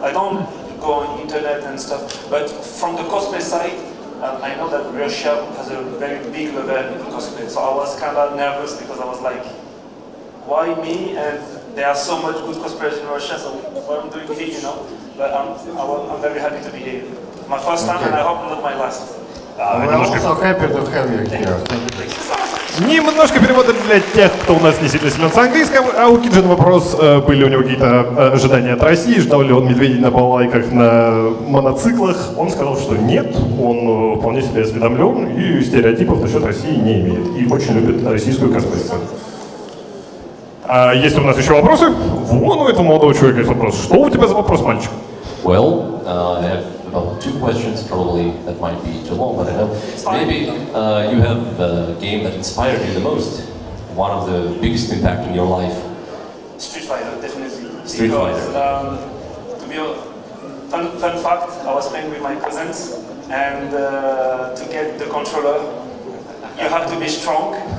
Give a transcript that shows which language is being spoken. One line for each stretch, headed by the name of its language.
English: I don't go on internet and stuff. But from the cosplay side, I know that Russia has a very big level in cosplay. So I was kind of nervous because I was like, why me? And there are so much good cosplayers in Russia, so what I'm doing here, you know. But I'm very happy to be here. My first time, okay. And I hope not my last.
Russian: Немножко перевода для тех, кто у нас не сильно силен с английским. А у Киджи на вопрос, были у него какие-то ожидания от России, ждал ли он медведей на балайках, на моноциклах. Он сказал, что нет, он вполне себе осведомлен и стереотипов насчет России не имеет. И очень любит российскую косплейцию. А есть у нас еще вопросы? Вон у этого молодого человека есть вопрос. Что у тебя за вопрос, мальчик?
English: Well, about two questions, probably that might be too long, but I know. Maybe you have a game that inspired you the most, one of the biggest impact in your life. Street Fighter, definitely. Street because, Fighter. To be a fun fact, I was playing with my cousins, and to get the controller, you have to be strong.